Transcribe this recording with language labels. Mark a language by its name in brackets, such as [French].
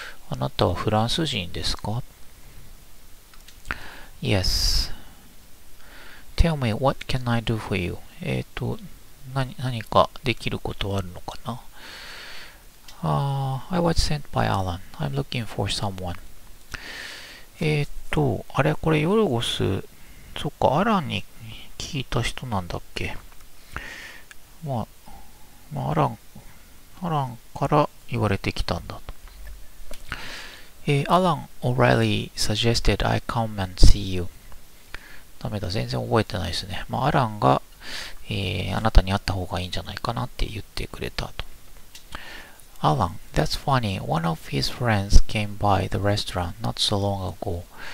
[Japanese] あなたはフランス人ですか？ [English] Yes. Tell me, what can I do for you? [Japanese] 何かできることあるのかな？ [English] I was sent by Alan. I'm looking for someone. [Japanese] あれ、これヨルゴス、そっか、アランに聞いた人なんだっけ。まあ、アランから言われてきたんだと。 [English] Alan O'Reilly suggested I come and see you. [Japanese] ダメだ、全然覚えてないですね。まあ、アランが、あなたに会った方がいいんじゃないかなって言ってくれたと。 [English] Alan, that's funny. One of his friends came by the restaurant not so long ago.